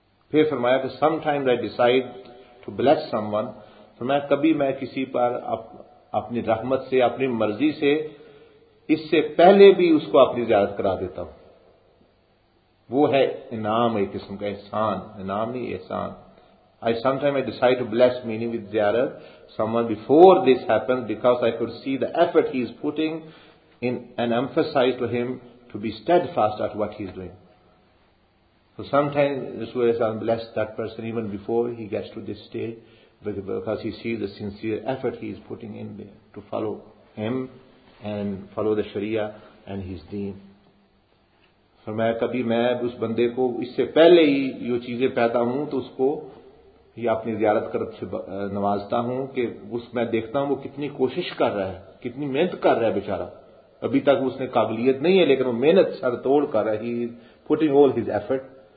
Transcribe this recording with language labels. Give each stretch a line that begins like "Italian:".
Urdu: پھر فرمایا کہ
English: sometimes I decide to bless someone,
Urdu: فرمایا کبھی میں کسی پر اپنی رحمت سے اپنی مرضی سے اس سے پہلے بھی اس کو اپنی زیارت کرا دیتا ہوں، وہ ہے انعام، ایک قسم کا احسان، انعام نہیں احسان،
English: Sometimes I decide to bless meaning with ziyarat someone before this happens because I could see the effort he is putting in and emphasize to him to be steadfast at what he is doing. So sometimes Rasulullah Sallallahu Alaihi blessed that person even before he gets to this stage because he sees the sincere effort he is putting in there to follow him and follow the Sharia and his deen.
Urdu: فرمایا کبھی میں اس بندے کو اس سے پہلے ہی یہ چیزیں پیدا ہوں تو اس کو یہ اپنی زیارت کر سے نوازتا ہوں کہ اس میں دیکھتا ہوں وہ کتنی کوشش کر رہا ہے کتنی محنت کر رہا ہے بیچارہ ابھی تک اس نے قابلیت نہیں ہے لیکن وہ محنت سر توڑ کر رہا ہے
English: he putting all his effort